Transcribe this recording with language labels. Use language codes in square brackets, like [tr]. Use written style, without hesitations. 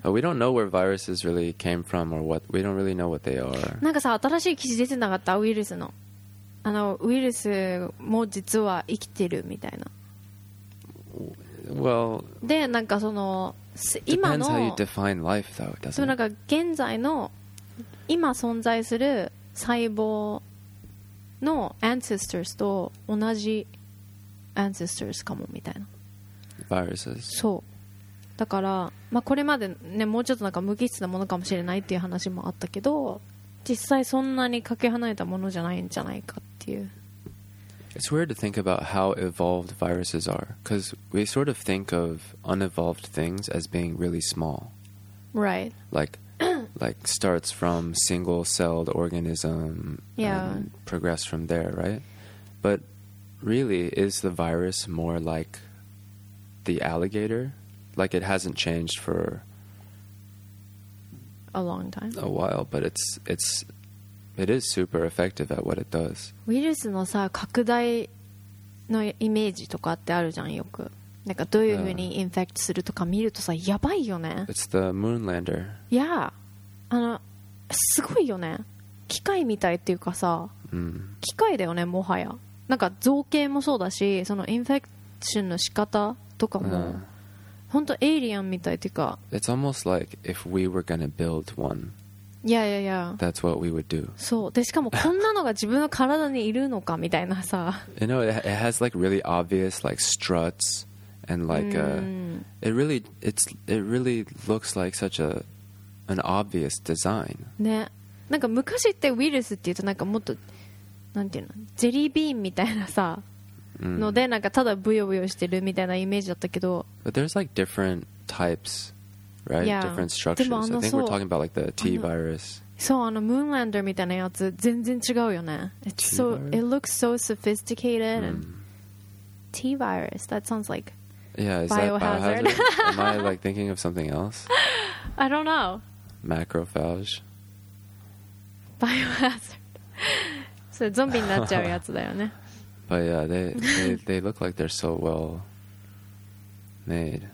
[en] But we don't know where viruses really came from or what. We don't really know what they are. [ja] なんかさ、新しい記事出てなかった？ウイルスの。あの、ウイルスも実は生きてるみたいな。 Well, で、なんかその、今の。 [en] Depends how you define life, though, doesn't it? [ja] そう、なんか現在の、今存在する細胞の ancestors と同じ。 Ancestors かもみたいな。 [en] Viruses. [ja] そう。だから、まあ、これまでね、もうちょっとなんか無機質なものかもしれないっていう話もあったけど、実際そんなにかけ離れたものじゃないんじゃないかっていう。 [en] It's weird to think about how evolved viruses are, because we sort of think of unevolved things as being really small. Right. Like starts from single-celled organism and progress from there, right? But really, is the virus more like the alligator? Like it hasn't changed for a long time. A while, but it is super effective at what it does. [ja] ウイルスのさ、拡大のイメージとかってあるじゃん、よく。なんかどういうふうにインフェクトするとか見るとさ、やばいよね。 [en] It's the moon lander. [ja] Yeah. あの、すごいよね。機械みたいっていうかさ、機械だよね、もはや。なんか造形もそうだし、そのインフェクションの仕方とかも、本当エイリアンみたいっていうか。 [en] It's almost like if we were gonna build one. Yeah, yeah, yeah. That's what we would do. [ja] そう。で、しかもこんなのが自分の体にいるのかみたいなさ。 [en] You know, it has like really obvious like struts and like it really looks like such an obvious design. [ja] ね。なんか昔ってウイルスっていうとなんかもっと、なんていうの、ジェリービーンみたいなさ、のでなんかただブヨブヨしてるみたいなイメージだったけど、 [en] But there's like different types, right? Yeah. Different structures. I think we're talking about like the T virus. [ja] そう、あのムーンランダーみたいなやつ全然違うよね。 [en] It's so, it looks so sophisticated. T virus. That sounds like biohazard. Am I like thinking of something else? I don't know. Macrophage. Biohazard. [ja] それゾンビになっちゃうやつだよね。 [en] But yeah, they look like they're so well made.